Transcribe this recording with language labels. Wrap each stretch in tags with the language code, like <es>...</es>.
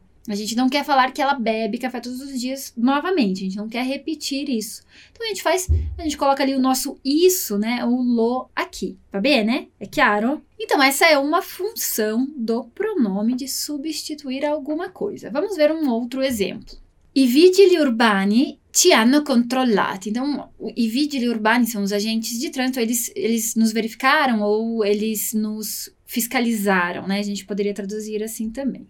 <pt>A gente não quer falar que ela bebe café todos os dias novamente. A gente não quer repetir isso. Então, a gente coloca ali o nosso isso, né? O lo aqui. Tá bem, né? É claro? Então, essa é uma função do pronome de substituir alguma coisa. Vamos ver um outro exemplo.</pt> <it>I vigili urbani ti hanno controllati.</it> <pt>Então, i vigili urbani são os agentes de trânsito. Eles nos verificaram ou eles nos fiscalizaram, né? A gente poderia traduzir assim também.</pt>